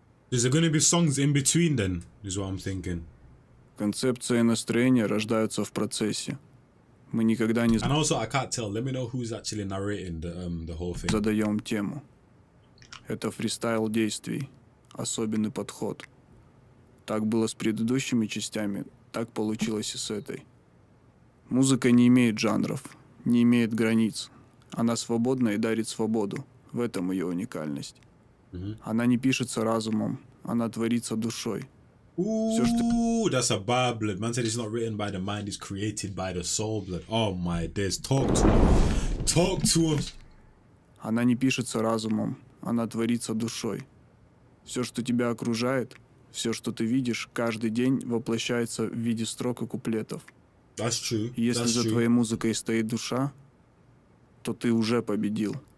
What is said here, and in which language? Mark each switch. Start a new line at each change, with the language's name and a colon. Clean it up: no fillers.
English: Is there gonna be songs in between then? Is what I'm thinking.
Russian: Концепция и настроение рождаются в процессе. Мы никогда не.
English: And also, I can't tell. Let me know who's actually narrating the whole thing.
Russian: Задаем тему. Это фристайл действий, особенный подход. Так было с предыдущими частями, так получилось и с этой. Музыка не имеет жанров, не имеет границ. Она свободна и дарит свободу. В этом ее уникальность. Mm-hmm. Она не пишется разумом, она творится душой.
English: Ooh, что... that's a bad blood. Man said it's not written by the mind, it's created by the soul blood. Oh my days, talk to him.
Russian: Она не пишется разумом, она творится душой. Все, что тебя окружает, все, что ты видишь, каждый день воплощается в виде строк и куплетов.
English: That's true.
Russian: И если
English: that's
Russian: за
English: true.
Russian: Твоей музыкой стоит душа, то ты уже победил.